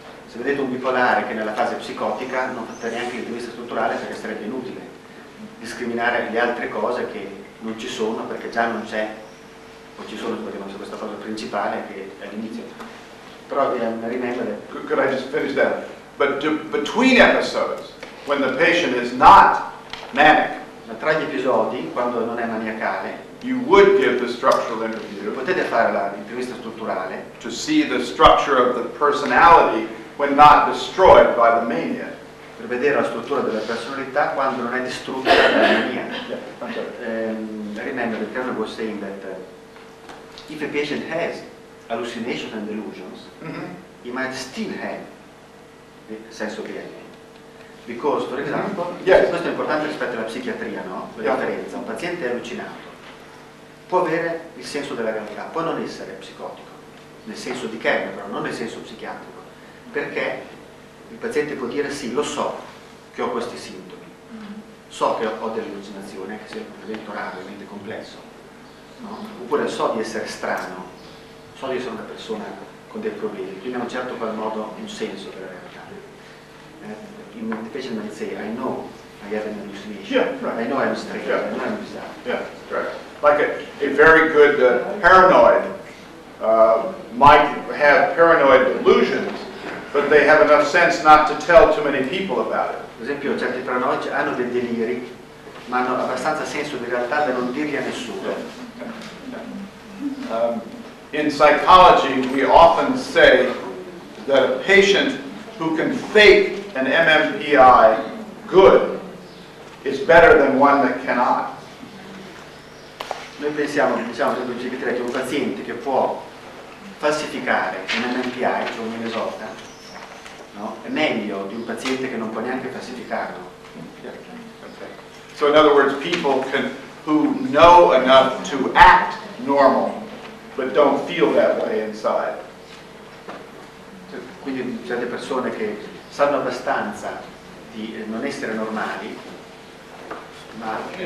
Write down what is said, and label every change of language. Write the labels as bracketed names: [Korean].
[Italian] Se vedete un bipolare che è nella fase psicotica, non fate neanche l'intervista strutturale perché sarebbe inutile discriminare le altre cose che non ci sono perché già non c'è. O ci sono, perché non c'è questa cosa principale che è all'inizio. Però bisogna rimettere. [English] Could I just finish that? But between episodes, when the patient is not manic, [Italian] ma tra gli episodi, quando non è maniacale, [English] you would give the structural interview. [Italian] Potete fare l'intervista strutturale. [English] To see the structure of the personality when not destroyed by the mania. [Italian] Per vedere la struttura della personalità quando non è distrutta dalla mania. Rimettere il caso [English] was saying that if a patient has hallucinations and delusions, he might still have [Italian] senso pieno. [English] Because, for example, [Italian] questo è importante rispetto alla psichiatria, no? La differenza. Un paziente è allucinato. Può avere il senso della realtà, può non essere psicotico, nel senso di Kernberg, però non nel senso psichiatrico. Perché il paziente può dire sì, lo so che ho questi sintomi. So che ho delle allucinazioni, anche se è un evento raro, ovviamente complesso. No? Oppure so di essere strano, so di essere una persona con dei problemi, quindi in un certo qual modo un senso della realtà. [English] In the patient might say, I know I have an hallucination. Yeah, right. I know I'm strange. Yeah. I know I'm bizarre. Yeah, right. Like a very good paranoid might have paranoid delusions, but they have enough sense not to tell too many people about it. [Italian] Per esempio, certi paranoici hanno dei deliri, ma hanno abbastanza senso di realtà da non dirli a nessuno. [English] Yeah. In psychology, we often say that a patient who can fake an MMPI good is better than one that cannot. [Italian] Noi pensiamo, diciamo, per esempio, che un paziente che può falsificare un MMPI, cioè un esorta, no? È meglio di un paziente che non può neanche falsificarlo. [English] Okay. So in other words, people can who know enough to act normal but don't feel that way inside. [Italian] Quindi certe persone che sanno abbastanza di non essere normali, ma